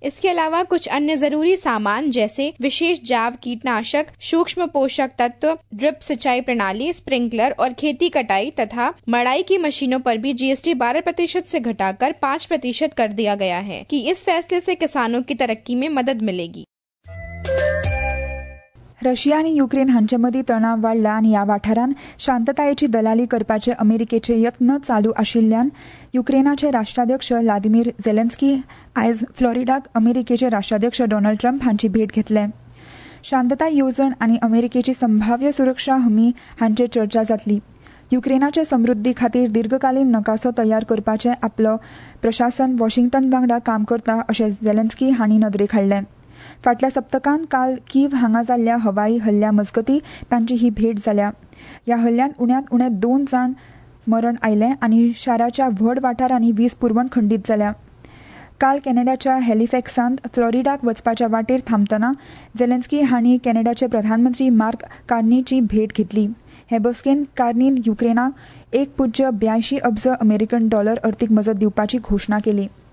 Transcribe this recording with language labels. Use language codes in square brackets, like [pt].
[hi] इसके अलावा कुछ अन्य जरूरी सामान जैसे विशेष जैव कीटनाशक, सूक्ष्म पोषक तत्व, ड्रिप सिंचाई प्रणाली, स्प्रिंकलर और खेती कटाई तथा मड़ाई की मशीनों पर भी जीएसटी 12% से घटाकर 5% कर दिया गया है कि इस फैसले से किसानों की तरक्की में मदद मिलेगी। [kok] रशिया आणि युक्रेन हांच्या मदीं तणाव वाडला आणि या वाठारांत शांततायेची दलाली करपाचे अमेरिकेचे यत्न चालू आशिल्ल्यान युक्रेनाचे राष्ट्राध्यक्ष व्लादिमीर झेलेन्स्की आयज फ्लोरिडाक अमेरिकेचे राष्ट्राध्यक्ष डॉनाल्ड ट्रम्प हांची भेट घेतले। शांतताय येवजण आणि अमेरिकेची संभाव्य सुरक्षा हमी हांचेर चर्चा जातली। युक्रेनाचे समृद्धी खातीर दीर्घकालीन नकासो तयार करपाचे आपलो प्रशासन वॉशिंग्टन वांगडा काम करता अशें झेलेन्स्की हांणी नदरेक हाडलें। फाटल्या सप्तकान काल कीव हांगा जाल्ल्या हवाई हल्ल्या मजगती तांची ही भेट जाल्या। ह्या हल्ल्यान उण्यांत उणे 2 जाण मरण आयले आनी शाराच्या व्हड वाठारांनी वीज पुरवण खंडीत जाल्या। काल कॅनडाच्या हॅलिफॅक्सांत फ्लोरिडाक वचपाच्या वाटेर थांबतना झेलेन्स्की हांणी कॅनडाचे प्रधानमंत्री मार्क कार्नीची भेट घेतली। हे बसकेन कार्नीन युक्रेनाक 1.82 अब्ज अमेरिकन डॉलर अर्थिक मजत दिवपाची घोषणा केली।